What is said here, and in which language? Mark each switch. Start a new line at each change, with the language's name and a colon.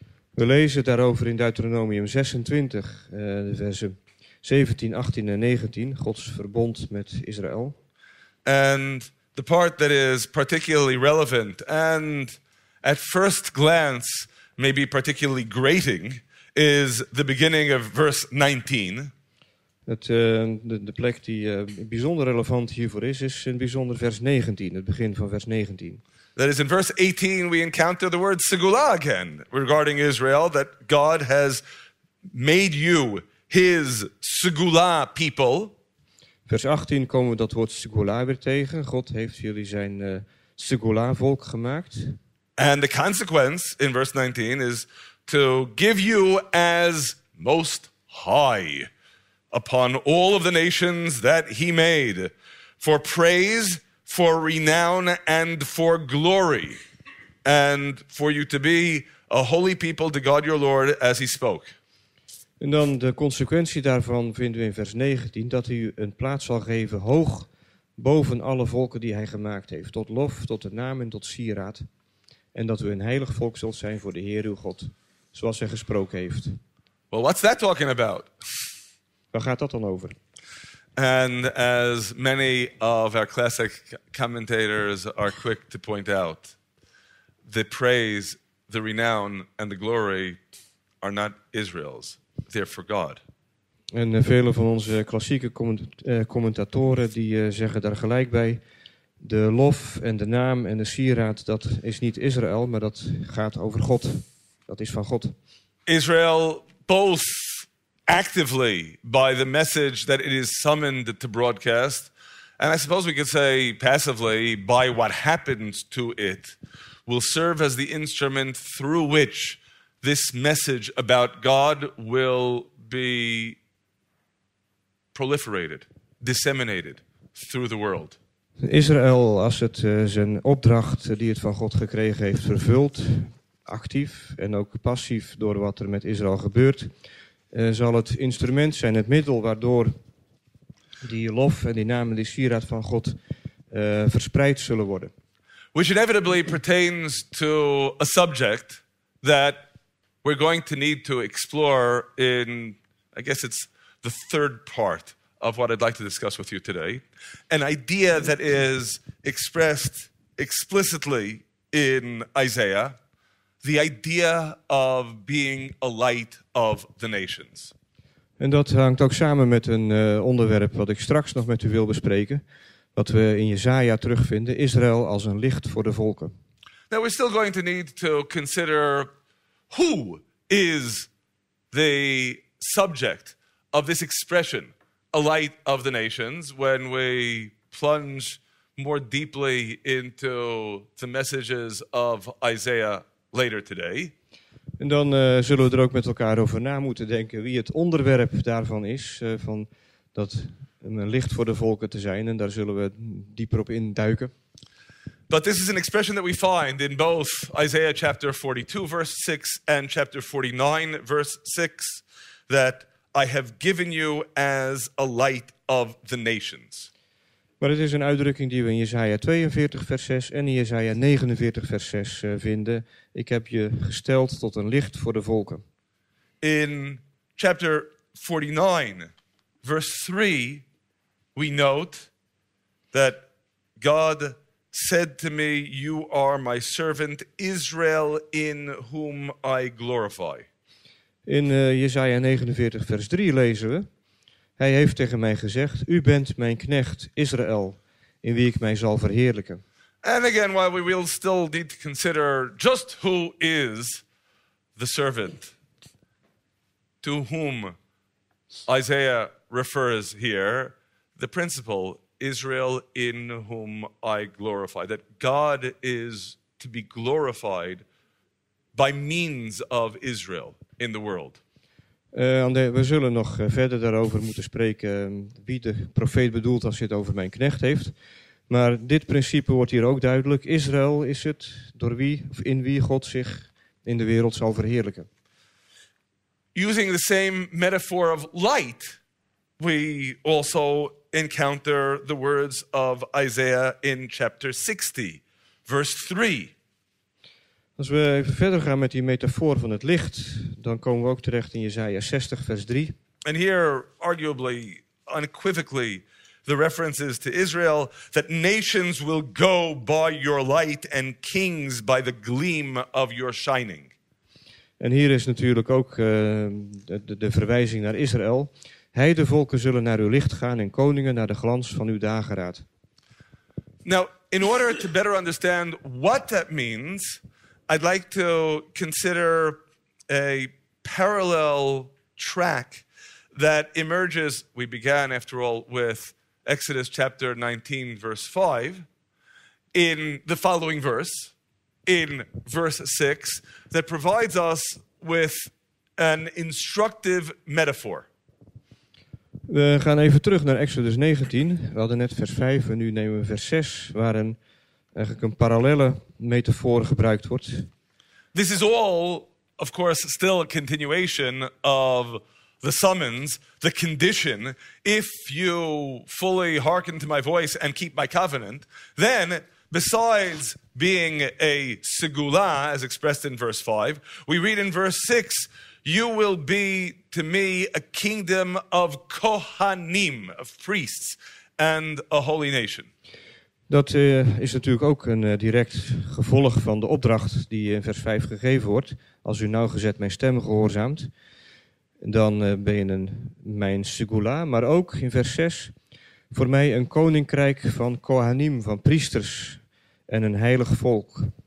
Dutch: We lezen daarover in Deuteronomium 26, de versen 17, 18 en 19, Gods verbond met Israël.
English: And the part that is particularly relevant and at first glance maybe particularly grating is the beginning of verse 19.
Dutch: De plek die bijzonder relevant hiervoor is, is in bijzonder vers 19, het begin van vers 19.
English: That is in verse 18 we encounter the word segula again regarding Israel, that God has made you his segula people.
Dutch: Vers 18 komen we dat woord segula weer tegen. God heeft jullie zijn segula volk gemaakt.
English: And the consequence in verse 19 is to give you as most high upon all of the nations that he made for praise, for renown and for glory and for you to be a holy people to God your Lord as he spoke.
Dutch: En dan de consequentie daarvan vinden we in vers 19, dat hij u een plaats zal geven hoog boven alle volken die hij gemaakt heeft, tot lof, tot de naam en tot sieraad, en dat u een heilig volk zult zijn voor de Heer uw God, zoals hij gesproken heeft.
English: Well, what's that talking about?
Dutch: Waar gaat dat dan over?
English: And as many of our classic commentators are quick to point out, the praise, the renown and the glory are not Israel's, they're for God.
Dutch: En vele van onze klassieke commentatoren die zeggen daar gelijk bij, de lof en de naam en de sieraad, dat is niet Israël, maar dat gaat over God. Dat is van God.
English: Israel both actively by the message that it is summoned to broadcast, and I suppose we could say passively by what happens to it, will serve as the instrument through which this message about God will be proliferated, disseminated through the world.
Dutch: Israël, als het zijn opdracht die het van God gekregen heeft vervult, actief en ook passief door wat er met Israël gebeurt, zal het instrument zijn, het middel waardoor die lof en die naam en die sieraad van God verspreid zullen worden.
English: Which inevitably pertains to a subject that we're going to need to explore in, I guess it's the third part of what I'd like to discuss with you today. An idea that is expressed explicitly in Isaiah, the idea of being a light of the nations.
Dutch: En dat hangt ook samen met een onderwerp wat ik straks nog met u wil bespreken, wat we in Jesaja terugvinden, Israël als een licht voor de volken.
English: Now we're still going to need to consider who is the subject of this expression, a light of the nations, when we plunge more deeply into the messages of Isaiah later today.
Dutch: En dan zullen we er ook met elkaar over na moeten denken wie het onderwerp daarvan is, van dat een licht voor de volken te zijn, en daar zullen we dieper op induiken.
English: But this is an expression that we find in both Isaiah chapter 42 verse 6 and chapter 49 verse 6, that I have given you as a light of the nations.
Dutch: Maar het is een uitdrukking die we in Jesaja 42 vers 6 en in Jesaja 49 vers 6 vinden. Ik heb je gesteld tot een licht voor de volken.
English: In chapter 49 verse 3 we note that God said to me, you are my servant Israel in whom I glorify.
Dutch: In Jesaja 49 vers 3 lezen we, hij heeft tegen mij gezegd, u bent mijn knecht Israël, in wie ik mij zal verheerlijken.
English: And again, while we will still need to consider just who is the servant to whom Isaiah refers here, the principle, Israel in whom I glorify, that God is to be glorified by means of Israel in the world.
Dutch: We zullen nog verder daarover moeten spreken wie de profeet bedoelt als hij het over mijn knecht heeft. Maar dit principe wordt hier ook duidelijk. Israël is het door wie of in wie God zich in de wereld zal verheerlijken.
English: Using the same metaphor of light, we also encounter the words of Isaiah in chapter 60, verse 3.
Dutch: Als we even verder gaan met die metafoor van het licht, dan komen we ook terecht in Jesaja 60, vers 3.
English: And here, arguably, unequivocally, the reference is to Israel, that nations will go by your light and kings by the gleam of your shining.
Dutch: En hier is natuurlijk ook de verwijzing naar Israël. Heidevolken zullen naar uw licht gaan en koningen naar de glans van uw dageraad.
English: Now, in order to better understand what that means, I'd like to consider a parallel track that emerges. We began, after all, with Exodus chapter 19, verse 5. In the following verse, in verse 6, that provides us with an instructive metaphor.
Dutch: We gaan even terug naar Exodus 19. We hadden net vers 5 en nu nemen we vers 6, waarin eigenlijk een parallele metafoor gebruikt wordt.
English: This is all, of course, still a continuation of the summons, the condition, if you fully hearken to my voice and keep my covenant, then besides being a segula, as expressed in verse 5, we read in verse 6, you will be to me a kingdom of kohanim, of priests, and a holy nation.
Dutch: Dat is natuurlijk ook een direct gevolg van de opdracht die in vers 5 gegeven wordt. Als u nauwgezet mijn stem gehoorzaamt, dan ben je een mijn segula. Maar ook in vers 6, voor mij een koninkrijk van kohanim, van priesters en een heilig volk.